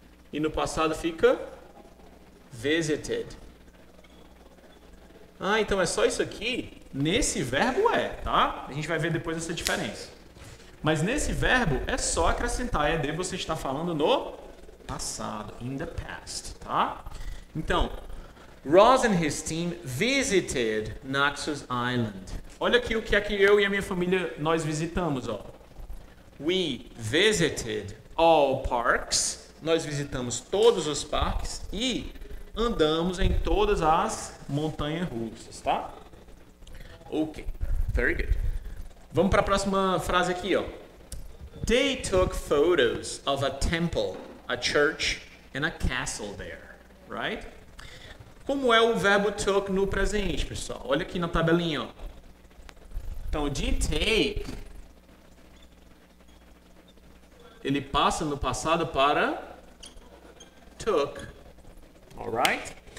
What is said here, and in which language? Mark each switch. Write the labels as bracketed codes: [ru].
[pt] E no passado fica [en] visited. [pt] Ah, então é só isso aqui? Nesse verbo é, tá? A gente vai ver depois essa diferença. Mas nesse verbo é só acrescentar ed, você está falando no passado, [en] in the past, tá? Então, Ross and his team visited Naxos Island. [pt] Olha aqui o que é que eu e a minha família, nós visitamos, ó. [en] We visited all parks. [pt] Nós visitamos todos os parques e andamos em todas as montanhas russas, tá? [en] Ok, very good. [pt] Vamos para a próxima frase aqui, ó. [en] They took photos of a temple, a church, and a castle there, right? [pt] Como é o verbo took no presente, pessoal? Olha aqui na tabelinha, ó. Então, de take, ele passa no passado para took, alright?